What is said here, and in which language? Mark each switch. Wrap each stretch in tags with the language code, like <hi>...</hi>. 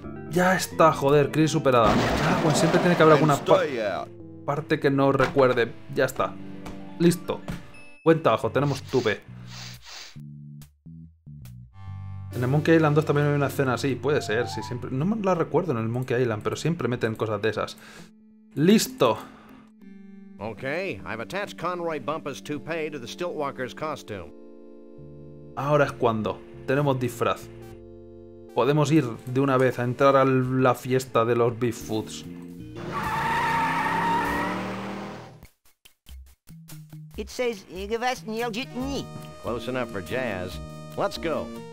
<es>Ya está, joder, crisis superada. Ah, pues siempre tiene que haber alguna parte que no recuerde. Ya está. Listo. Cuenta abajo, tenemos tupe. En el Monkey Island 2 también hay una escena así, puede ser, sí, siempre. No la recuerdo en el Monkey Island, pero siempre meten cosas de esas. ¡Listo!</es> <en>Okay, I've attached Conroy Bumpus' toupee to the Stiltwalker's costume.</en> <es>Ahora es cuando. Tenemos disfraz. Podemos ir de una vez a entrar a la fiesta de los Beef Foods.</es> <en>It says Igavas Nyeljitni. Close enough for jazz. Let's go.</en>